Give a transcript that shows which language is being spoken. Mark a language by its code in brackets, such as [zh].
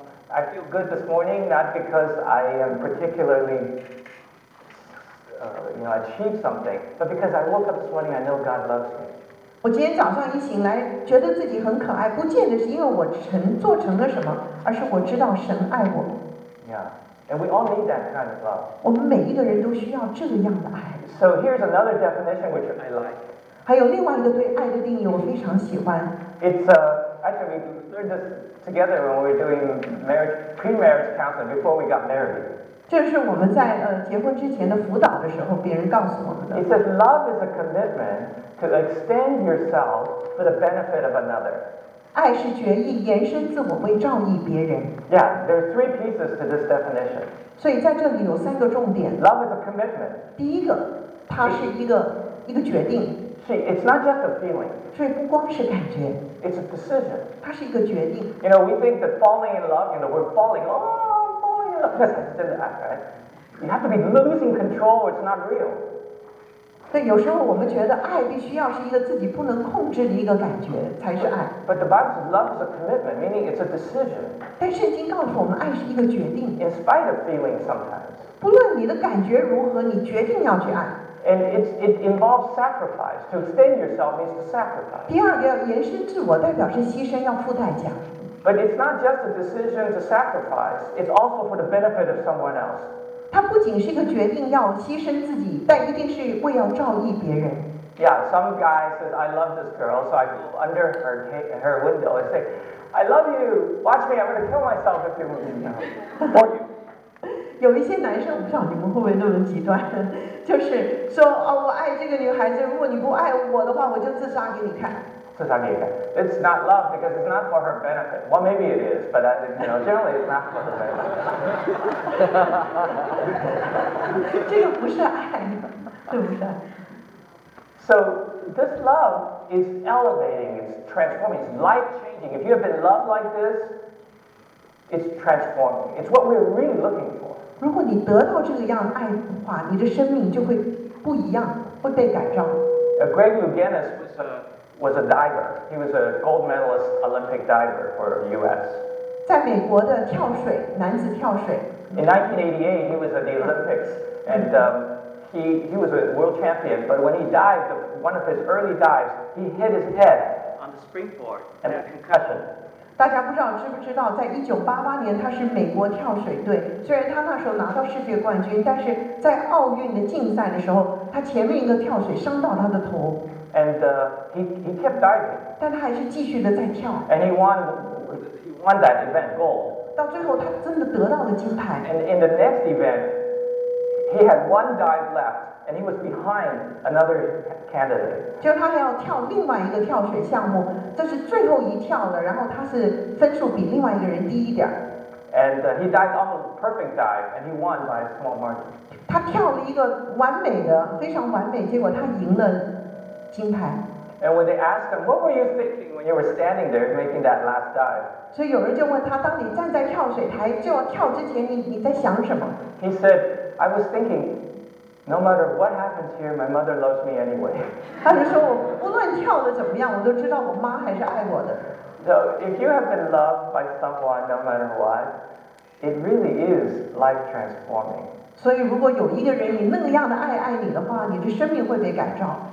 [en] I feel good this morning, not because I am particularly, achieved something, but because I woke up this morning, I know God loves me. [zh] 我今天早上一醒来，觉得自己很可爱，不见得是因为我做成了什么，而是我知道神爱我。 [en] Yeah, and we all need that kind of love. [zh] 我们每一个人都需要这样的爱。 [en] So here's another definition which I like. [zh] 还有另外一个对爱的定义，我非常喜欢。 [en] It's actually we learned this together when we were doing pre-marriage counseling before we got married. [zh] 这是我们在结婚之前的辅导的时候，别人告诉我们的。 [en] It says love is a commitment to extend yourself for the benefit of another. [zh] 爱是决意延伸自我为照应别人。 [en] Yeah, there are three pieces to this definition. [zh] 所以在这里有三个重点。 [en] Love is a commitment. [zh] 第一个，它是一个决定。 [en] See, it's not just a feeling. [zh] 所以不光是感觉。 [en] It's a decision. [zh] 它是一个决定。 [en] You know, we think that falling in love, the word falling, oh, falling in love, that's just an act, right? You have to be losing control or it's not real. [zh] 对，有时候我们觉得爱必须要是一个自己不能控制的一个感觉才是爱。 [en] But the Bible says love is a commitment, meaning it's a decision. [zh] 但圣经告诉我们爱是一个决定。 [en] In spite of feeling sometimes. [zh] 不论你的感觉如何，你决定要去爱。 [en] And it involves sacrifice. To extend yourself means to sacrifice. [zh] 第二个要延伸自我，代表是牺牲，要付代价。 [en] But it's not just a decision to sacrifice. It's also for the benefit of someone else. [zh] 它不仅是一个决定要牺牲自己，但一定是为要照应别人。 [en] Yeah, some guy says, "I love this girl," so I go under her window and say, "I love you. Watch me. I'm going to kill myself if you move me now." Or you. [zh] 有一些男生，我不知道你们会不会那么极端，就是说，哦，我爱这个女孩子，如果你不爱我的话，我就自杀给你看。自杀给你看。 [en] It's not love because it's not for her benefit. Well, maybe it is, but generally it's not for her benefit. [zh] 这个不是爱，对不对？ [en] So this love is elevating, it's transforming, it's life changing. If you have been loved like this, it's transforming. It's what we're really looking for. [zh] 如果你得到这个样的爱的话，你的生命就会不一样，会被改造。 [en] Greg Louganis was a diver. He was a gold medalist Olympic diver for U.S. [zh] 在美国的跳水，男子跳水。 [en] In 1988, he was at the Olympics, and he was a world champion. But when he dived, one of his early dives, he hit his head on the springboard and had a concussion. [zh] 大家不知道知不知道，在1988年，他是美国跳水队。虽然他那时候拿到世界冠军，但是在奥运的竞赛的时候，他前面一个跳水伤到他的头。 [en] And he kept diving. [zh] 但他还是继续的在跳。 [en] And he won that event gold. [zh] 到最后，他真的得到了金牌。 [en] And in the next event, he had one dive left, and he was behind another. Candidate. [zh] 就他还要跳另外一个跳水项目，这是最后一跳了，然后他是分数比另外一个人低一点。 [en] And he dived almost perfect dive, and he won by a small margin. [zh] 他跳了一个完美的，非常完美，结果他赢了金牌。 [en] And when they asked him, "What were you thinking when you were standing there making that last dive?" [zh] 所以有人就问他，当你站在跳水台就要跳之前，你在想什么 [en] ？He said, "I was thinking." No matter what happens here, my mother loves me anyway. [zh] 他就说，无论跳的怎么样，我都知道我妈还是爱我的。 [en] So if you have been loved by someone, no matter what, it really is life transforming. [zh] 所以如果有一个人你那样的爱你的话，你的生命会被改造。